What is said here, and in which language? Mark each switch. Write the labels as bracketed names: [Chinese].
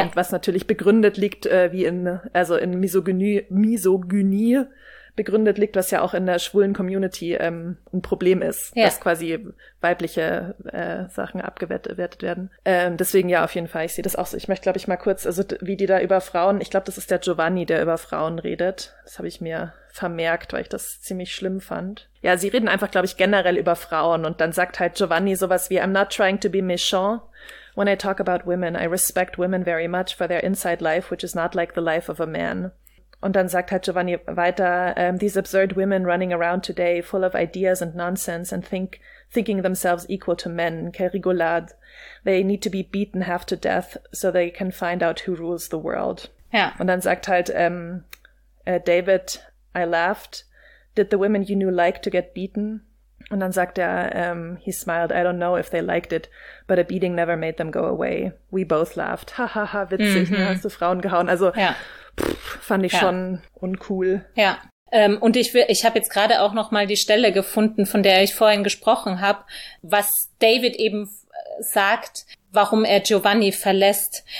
[German] Yeah. Und was natürlich begründet liegt, wie in, also in Misogynie begründet liegt, was ja auch in der schwulen Community ein Problem ist, dass quasi weibliche Sachen abgewertet werden. Deswegen ja, auf jeden Fall, ich sehe das auch so. Ich möchte, glaube ich, mal kurz, also wie die da über Frauen, ich glaube, das ist der Giovanni, der über Frauen redet. Das habe ich mir vermerkt, weil ich das ziemlich schlimm fand. Ja, sie reden einfach, glaube ich, generell über Frauen und dann sagt halt Giovanni sowas wie, [English] I'm not trying to be méchant. When I talk about women, I respect women very much for their inside life, which is not like the life of a man. [German] Und dann sagt halt Giovanni weiter, [English] these absurd women running around today, full of ideas and nonsense and thinking themselves equal to men, [French] quelle rigolade. [English] They need to be beaten half to death, so they can find out who rules the world. [German] Ja. Und dann sagt halt David, [English] I laughed. Did the women you knew like to get beaten? Und dann sagt er, he smiled, I don't know if they liked it, but a beating never made them go away. We both laughed. [German] Ha, ha, ha, witzig, hast du Frauen gehauen. Also, fand ich schon uncool. Ja, und ich habe jetzt gerade auch noch mal die Stelle gefunden, von der ich vorhin gesprochen habe, was David eben sagt, warum er Giovanni verlässt.